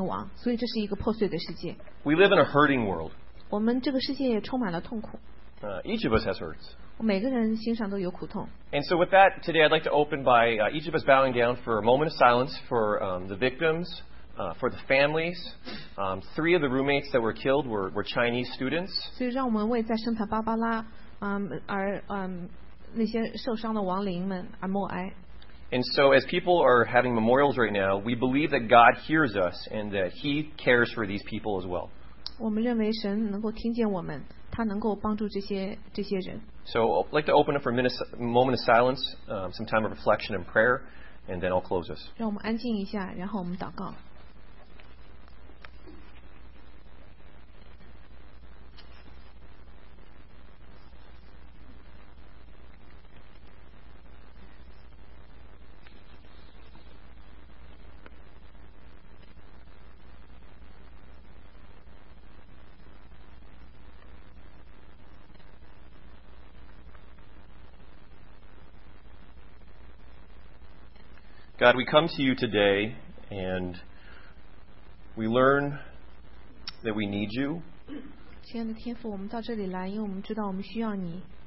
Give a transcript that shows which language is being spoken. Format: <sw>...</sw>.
<zh>其实在这个社会里面，上周圣塔芭芭拉就有一个美亚混血，他就杀死了他的同屋，也杀死了路上的三个人，而且他还计划要杀死更多的人，大概有13个。所以他现在后来自己也引弹身亡。所以这是一个破碎的世界。</zh> <en>We live in a hurting world.</en> <zh>我们这个世界也充满了痛苦。</zh> <en>Each of us has hurts.</en> <zh>每个人心上都有苦痛。</zh> <en>And so with that, today I'd like to open by each of us bowing down for a moment of silence for the victims, for the families. Three of the roommates that were killed were Chinese students.</en> <zh>所以让我们为在圣塔芭芭拉 那些受伤的亡灵们而默哀。</zh> <en>And so as people are having memorials right now, we believe that God hears us and that He cares for these people as well.</en> <zh>我们认为神能够听见我们，他能够帮助这些人。</zh> <en>So I'd like to open up for a moment of silence, some time of reflection and prayer, and then I'll close us.</en> <zh>让我们安静一下，然后我们祷告。</zh> <en>God, we come to you today and we learn that we need you.</en> <zh>亲爱的天父, 我们到这里来, 因为我们知道我们需要你,</zh>